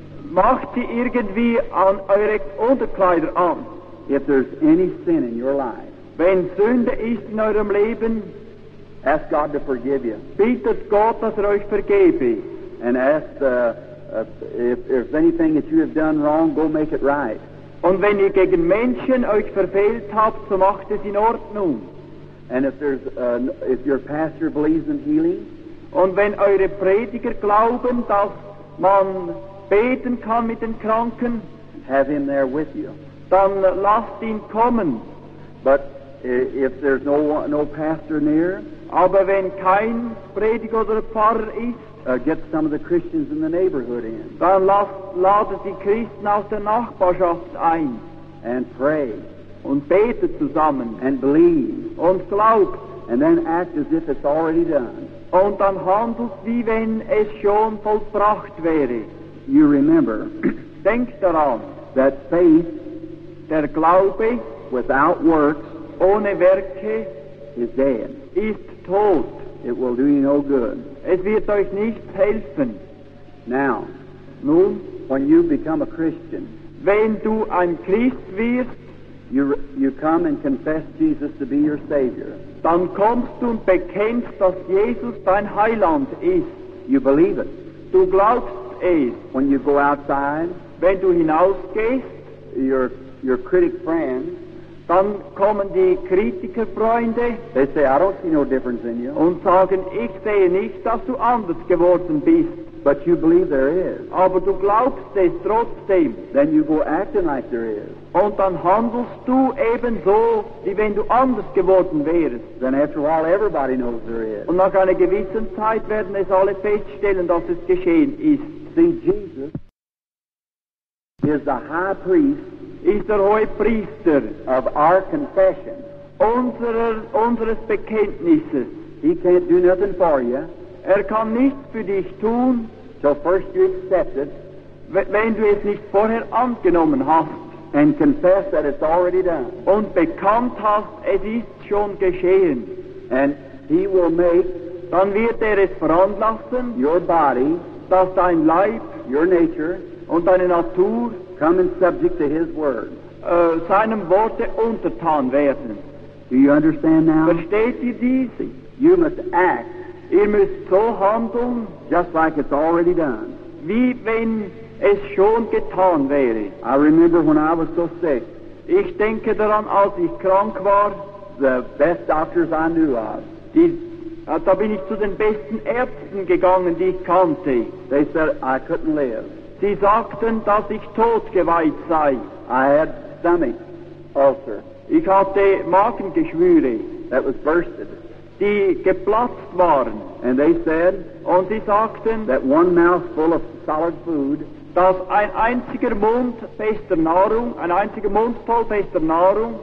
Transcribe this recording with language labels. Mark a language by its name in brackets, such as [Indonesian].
[German] Mach die irgendwie an eure Unterkleider an. [English] If there's any sin in your life, [German] wenn Sünde ist in eurem Leben, [English] ask God to forgive you. [German] Bittet Gott, dass euch vergebe. [English] And ask the if there's anything that you have done wrong, go make it right. [German] Und wenn ihr gegen Menschen euch verfehlt habt, so macht es in Ordnung. [English] And if there's if your pastor believes in healing, [German] und wenn eure Prediger glauben, dass man beten kann mit den Kranken, [English] have him there with you. [German] Dann lasst ihn kommen. [English] But if there's no pastor near, [German] aber wenn kein Prediger oder Pfarrer ist, [English] Get some of the Christians in the neighborhood in. [German] Dann ladet die Christen aus der Nachbarschaft ein. [English] And pray. [German] Und betet zusammen. [English] And believe. [German] Und glaubt. [English] And then act as if it's already done. [German] Und dann handelt, wie wenn es schon vollbracht wäre. [English] You remember. [German] Denk daran. [English] That faith. [German] Der Glaube. [English] Without works. [German] Ohne Werke. [English] Is dead. [German] Ist tot. [English] It will do you no good. [German] Es wird euch nichts helfen. [English] Now, [German] nun, [English] when you become a Christian, [German] wenn du ein Christ wirst, [English] you come and confess Jesus to be your Savior. [German] Dann kommst du und bekennst, dass Jesus dein Heiland ist. [English] You believe it. [German] Du glaubst es. [English] When you go outside, [German] wenn du hinausgehst, [English] your critic friends, [German] dann kommen die Kritikerfreunde. [English] They say, I don't see no difference in you. [German] Und sagen, ich sehe nicht, dass du anders geworden bist. [English] But you believe there is. [German] Aber du glaubst es trotzdem. [English] Then you go acting like there is. [German] Und dann handelst du ebenso, wie wenn du anders geworden wärst. [English] Then after all, everybody knows there is. [German] Und nach einer gewissen Zeit werden es alle feststellen, dass es geschehen ist. [English] See, Jesus is the high priest. [German] Ist der hohe Priester [English] of our confession. [German] Unseres Bekenntnisses. [English] He can't do nothing for you. [German] Er kann nichts für dich tun. [English] So first you accept it. [German] Wenn du es nicht vorher angenommen hast. [English] And confess that it's already done. [German] Und bekannt hast, es ist schon geschehen. [English] And he will make [German] dann wird es veranlassen, [English] your body, [German] dass dein Leib, [English] your nature, [German] und deine Natur, [English] come in subject to his word. [German] Seinem Worte untertan werden. [English] Do you understand now? [German] Versteht ihr dies? [English] You must act. [German] Ihr müsst so handeln, [English] just like it's already done. [German] Wie wenn es schon getan wäre. [English] I remember when I was so sick. [German] Ich denke daran, als ich krank war. [English] The best doctors I knew of. [German] Da bin ich zu den besten Ärzten gegangen, die ich kannte. [English] They said I couldn't live. [German] Sie sagten, dass ich totgeweiht sei. [English] I had stomach ulcer. [German] Ich hatte Magengeschwüre. [English] That was bursted. [German] Die geplatzt waren. [English] And they said. [German] Und sie sagten. [English] That one mouthful of solid food. [German] Dass ein einziger Mund fester Nahrung, ein einziger Mundvoll fester Nahrung.